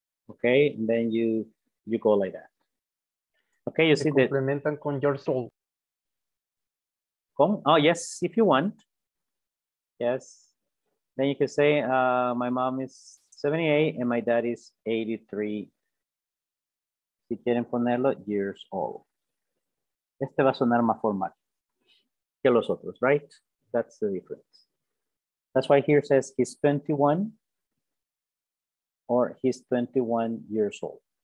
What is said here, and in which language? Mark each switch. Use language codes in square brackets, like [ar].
[en] Okay, and then you go like that. Okay, you see that. [es] Complementan con [en] your soul. [es] ¿Cómo? [en] Oh, yes, if you want. Yes. Then you can say, my mom is 78 and my dad is 83. [es] Si quieren ponerlo, [en] years old. [es] Este va a sonar más formal que los otros, right? [en] That's the difference. That's why here says he's 21 or he's 21 years old.